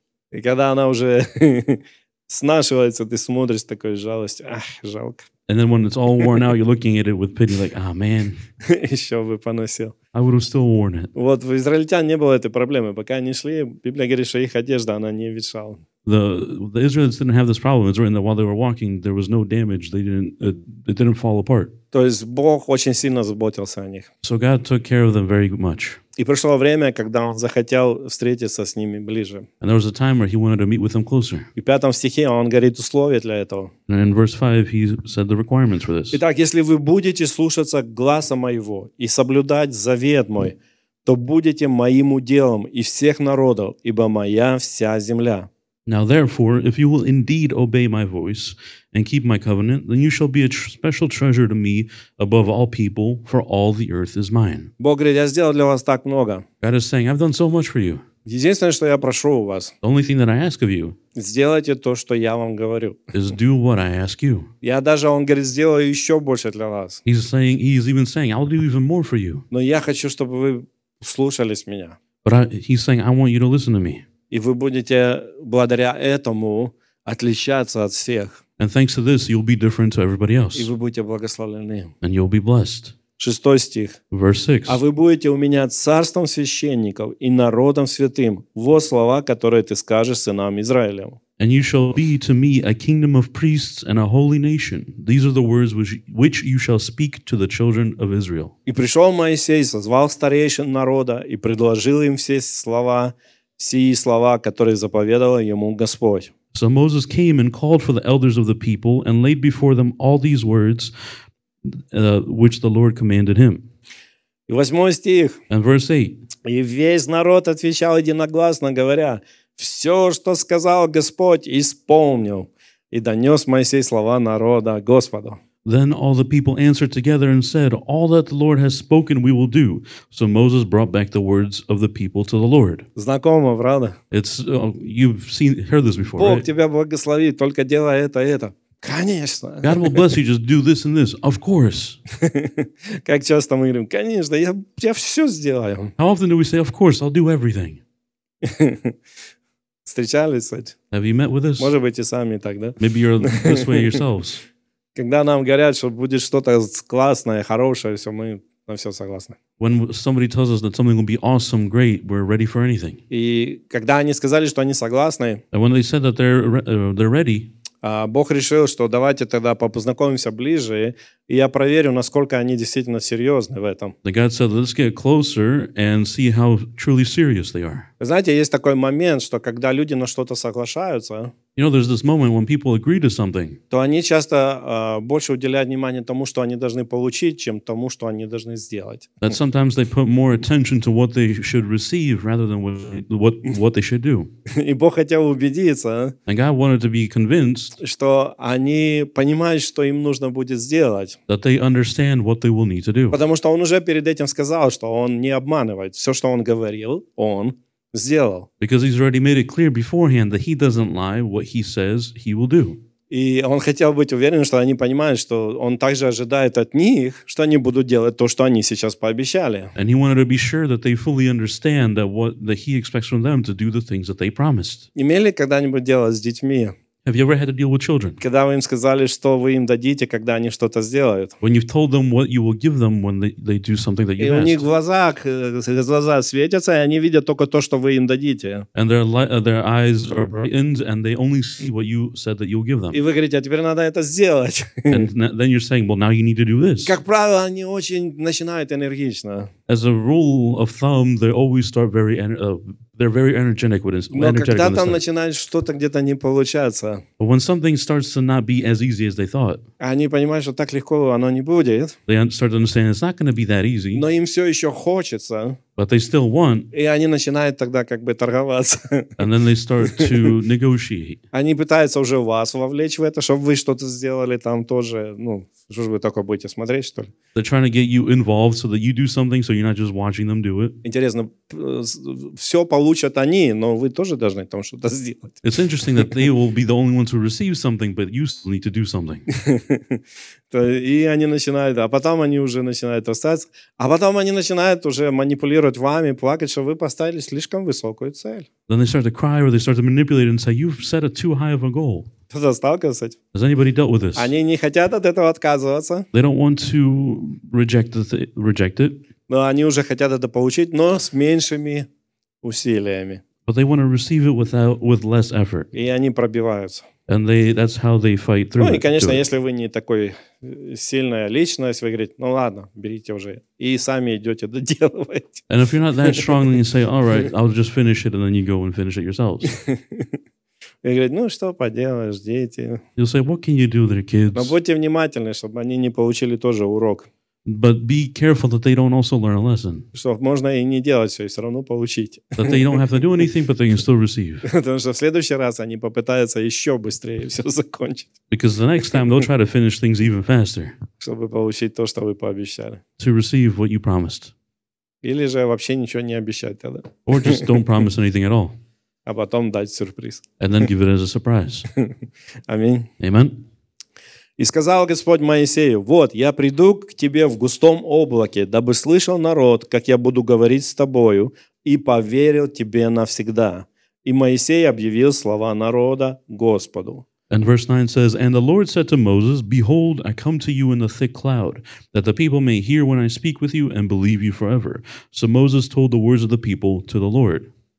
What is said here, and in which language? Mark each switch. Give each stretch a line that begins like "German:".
Russian: И когда она уже... Снашивается, ты смотришь такой жалость. Ах, жалко.
English: And then when it's all worn out, you're looking at it with pity, like, ah, man.
Russian: Еще бы поносил.
English: I would have still worn it.
Russian: Вот в израильтян не было этой проблемы, пока они шли. Библия говорит, что их одежда она не ветшала.
English: The Israelites didn't have this problem. It's written that while they were walking, there was no damage. They didn't it didn't fall apart.
Russian: То есть Бог очень сильно заботился о них.
English: So God took care of them very much.
Russian: И пришло время, когда он захотел встретиться с ними ближе.
English: And there was a time where he wanted to meet with them closer.
Russian: И в 5 стихе он говорит условия для этого.
English: And in verse 5 he said the requirements for this.
Russian: Итак, если вы будете слушаться гласа моего и соблюдать завет мой, то будете моим уделом из всех народов, ибо моя вся земля.
English: Now therefore, if you will indeed obey my voice and keep my covenant, then you shall be a special treasure to me above all people, for all the earth is mine.
Russian: Бог говорит, я сделал для вас так много.
English: God is saying, I've done so much for you.
Russian: Единственное, что я прошу у вас.
English: The only thing that I ask of you.
Russian: Сделайте то, что я вам говорю.
English: Is do what I ask you.
Russian: Я даже, он говорит, сделаю еще больше для вас.
English: He's saying, he is even saying, I'll do even more for you.
Russian: Но я хочу, чтобы вы слушались меня.
English: But he's saying, I want you to listen to me.
Russian: И вы будете благодаря этому отличаться от всех.
English: And thanks to this, you'll be different to everybody else.
Russian: И вы будете благословлены.
English: And you'll be blessed.
Russian: 6 стих.
English: Verse 6.
Russian: А вы будете у меня царством священников и народом святым. Вот слова, которые ты скажешь сынам Израилевым.
English: And you shall be to me a kingdom of priests and a holy nation. These are the words which you shall speak to the children of Israel.
Russian: И пришел Моисей, созвал старейшин народа и предложил им все слова. Сии слова, которые заповедал ему Господь.
English: So Moses came and called for the elders of the people and laid before them all these words which the Lord commanded him.
Russian: И 8 стих.
English: And verse 8.
Russian: И весь народ отвечал единогласно, говоря, все, что сказал Господь, исполнил. И донес Моисей слова народа Господу.
English: Then all the people answered together and said, all that the Lord has spoken we will do. So Moses brought back the words of the people to the Lord.
Russian: Знакомо, правда?
English: It's, you've heard this before,
Russian: Бог
English: right?
Russian: Тебя благословит, только делай это и это. Конечно.
English: God will bless you, just do this and this. Of course.
Russian: Как часто мы говорим, конечно, я все сделаю.
English: How often do we say, of course, I'll do everything?
Russian: Встречались, кстати?
English: Have you met with this?
Russian: Может быть, и сами так, да?
English: Maybe you're this way yourselves.
Russian: Когда нам говорят, что будет что-то классное, хорошее, все, мы на все согласны.
English: When somebody tells us that something will be awesome, great, we're ready for anything.
Russian: И когда они сказали, что они согласны,
English: and when they said that they're ready,
Russian: Бог решил, что давайте тогда познакомимся ближе, и я проверю, насколько они действительно серьезны в этом.
English: The God said, let's get closer and see how truly serious they are.
Russian: Знаете, есть такой момент, что когда люди на что-то соглашаются,
English: you know, there's this moment when people agree to something.
Russian: То они часто больше уделяют внимание тому, что они должны получить, чем тому, что они должны сделать.
English: That sometimes they put more attention to what they should receive rather than what they should do.
Russian: И Бог хотел убедиться.
English: And God wanted to be convinced.
Russian: Что они понимают, что им нужно будет сделать.
English: That they understand what they will need to do.
Russian: Потому что он уже перед этим сказал, что он не обманывает. Все, что он говорил, он сделал.
English: Because he's already made it clear beforehand that he doesn't lie, what he says, he will do.
Russian: И он хотел быть уверен, что они понимают, что он также ожидает от них, что они будут делать то, что они сейчас пообещали.
English: And he wanted to be sure that they fully understand that he expects from them to do the things that they promised.
Russian: Имели когда-нибудь дело с детьми?
English: Have you ever had to deal with children?
Russian: Когда вы им сказали, что вы им дадите, когда они что-то сделают?
English: When you've told them what you will give them when they do something that you've asked.
Russian: И у них глаза светятся, и они видят только то, что вы им дадите.
English: And their eyes are brightened, and they only see what you said that you'll give them.
Russian: И вы говорите, а теперь надо это сделать.
English: And then you're saying, well, now you need to do this.
Russian: Как правило, они очень начинают энергично.
English: As a rule of thumb, they always start very they're very energetic with energetic.
Russian: Но когда там начинает что-то где-то не получаться.
English: But when something starts to not be as easy as they thought.
Russian: Они понимают, что так легко оно не будет.
English: They start to understand it's not going to be that easy.
Russian: Но им все еще хочется.
English: But they still want.
Russian: И они начинают тогда как бы торговаться.
English: And then they start to negotiate.
Russian: Они пытаются уже вас вовлечь в это, чтобы вы что-то сделали там тоже, ну. Что же вы такое будете смотреть, что ли?
English: They're trying to get you involved so that you do something, so you're not just watching them do it.
Russian: Интересно, все получат они, но вы тоже должны там что-то сделать.
English: It's interesting that they will be the only ones who receive something, but you still need to do something.
Russian: И они начинают, а потом они уже начинают расстаться, а потом они начинают уже манипулировать вами, плакать, что вы поставили слишком высокую цель.
English: Then they start to cry or they start to manipulate and say, you've set a too high of a goal.
Russian: Кто-то сталкивался с этим?
English: Has anybody dealt with this?
Russian: Они не хотят от этого отказываться.
English: They don't want to reject reject it.
Russian: Но они уже хотят это получить, но с меньшими усилиями.
English: But they want to receive it without, with less effort.
Russian: И они пробиваются.
English: And they, that's how they fight through it.
Russian: Ну и, конечно,
English: it,
Russian: если вы не такой сильная личность, вы говорите, ну ладно, берите уже. И сами идете доделывать.
English: And if you're not that strong, then you say, all right, I'll just finish it, and then you go and finish it yourselves.
Russian: И говорит, ну что поделаешь, дети.
English: You'll say, what can you do with their kids?
Russian: Но будьте внимательны, чтобы они не получили тоже урок.
English: But be careful that they don't also learn a lesson.
Russian: Что можно и не делать все, и все равно получить.
English: That they don't have to do anything, but they can still receive.
Russian: Потому что в следующий раз они попытаются еще быстрее все закончить.
English: Because the next time they'll try to finish things even faster.
Russian: Чтобы получить то, что вы пообещали.
English: To receive what you promised.
Russian: Или же вообще ничего не обещать тогда.
English: Or just don't promise anything at all.
Russian: А потом дать сюрприз.
English: And then give it as a surprise.
Russian: Аминь.
English: Amen.
Russian: И сказал Господь Моисею, вот, я приду к тебе в густом облаке, дабы слышал народ, как я буду говорить с тобою, и поверил тебе навсегда. И Моисей объявил слова народа Господу.
English: And verse 9 says, and the Lord said to Moses, behold, I come to you in the thick cloud, that the people may hear when I speak with you and believe you forever. So Moses told the words of the people to the Lord.